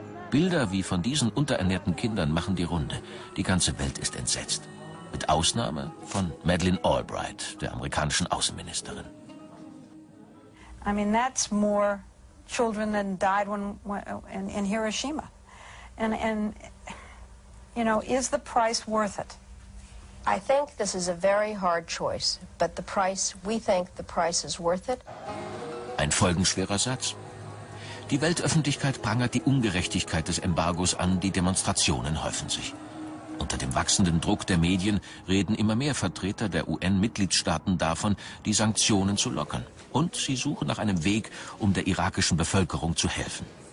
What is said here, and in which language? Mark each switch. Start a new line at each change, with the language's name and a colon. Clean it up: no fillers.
German: Bilder wie von diesen unterernährten Kindern machen die Runde. Die ganze Welt ist entsetzt. Mit Ausnahme von Madeleine Albright, der amerikanischen Außenministerin.
English: I mean, that's more children than died in Hiroshima. And you know, is the price worth it? I think this is a very hard choice, but the price, we think the price is worth it.
German: Ein folgenschwerer Satz. Die Weltöffentlichkeit prangert die Ungerechtigkeit des Embargos an, die Demonstrationen häufen sich. Unter dem wachsenden Druck der Medien reden immer mehr Vertreter der UN-Mitgliedstaaten davon, die Sanktionen zu lockern. Und sie suchen nach einem Weg, um der irakischen Bevölkerung zu helfen.